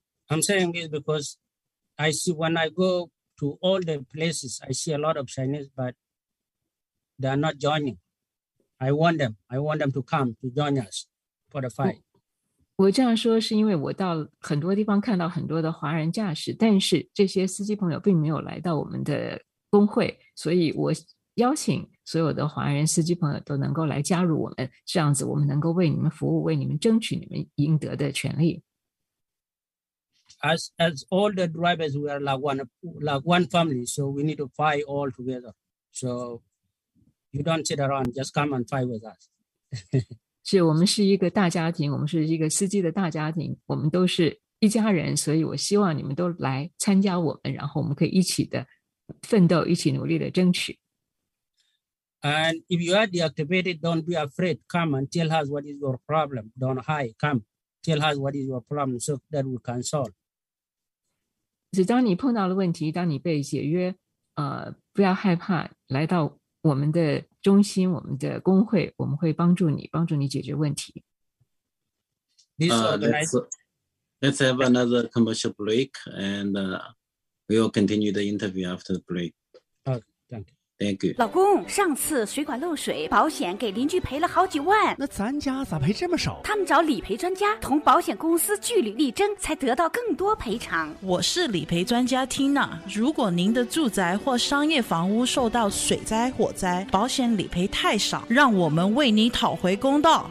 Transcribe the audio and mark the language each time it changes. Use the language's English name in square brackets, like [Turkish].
[English] I'm saying this because I see when I go to all the places, I see a lot of Chinese, but they are not joining. I want them to come to join us for the fight. [Chinese] 我这样说是因为我到很多地方看到很多的华人驾驶，但是这些司机朋友并没有来到我们的工会，所以我邀请所有的华人司机朋友都能够来加入我们，这样子我们能够为你们服务，为你们争取你们应得的权利。 [English] As all the drivers, we are like one family, so we need to fight all together. So you don't sit around, just come and fight with us. [Chinese] 是我们是一个大家庭，我们是一个司机的大家庭，我们都是一家人，所以我希望你们都来参加我们，然后我们可以一起的奋斗，一起努力的争取。 [English] And if you are deactivated, don't be afraid. Come and tell us what is your problem. Don't hide. Come, tell us what is your problem so that we can solve. [Chinese] 当你碰到了问题，当你被解约，不要害怕，来到我们的中心，我们的工会，我们会帮助你，帮助你解决问题。 [English] Let's have another commercial break and. We will continue the interview after the break. Thank you. [Chinese] 老公，上次水管漏水，保险给邻居赔了好几万。那咱家咋赔这么少？他们找理赔专家，同保险公司据理力争，才得到更多赔偿。我是理赔专家 Tina。如果您的住宅或商业房屋受到水灾、火灾，保险理赔太少，让我们为您讨回公道。